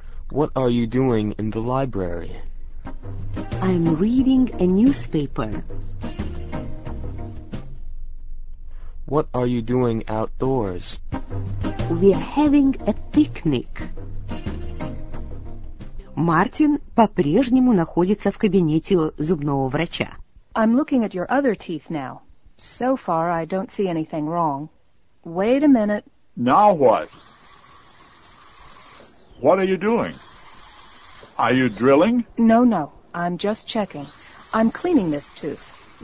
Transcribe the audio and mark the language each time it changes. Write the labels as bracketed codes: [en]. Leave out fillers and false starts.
[en] What are you doing in the library? I'm reading a newspaper. What are you doing outdoors? We're having a picnic. [ru] Мартин по-прежнему находится в кабинете зубного врача. [en] I'm looking at your other teeth now. So far, I don't see anything wrong. Wait a minute. Now what? What are you doing? Are you drilling? No, no. I'm just checking. I'm cleaning this tooth.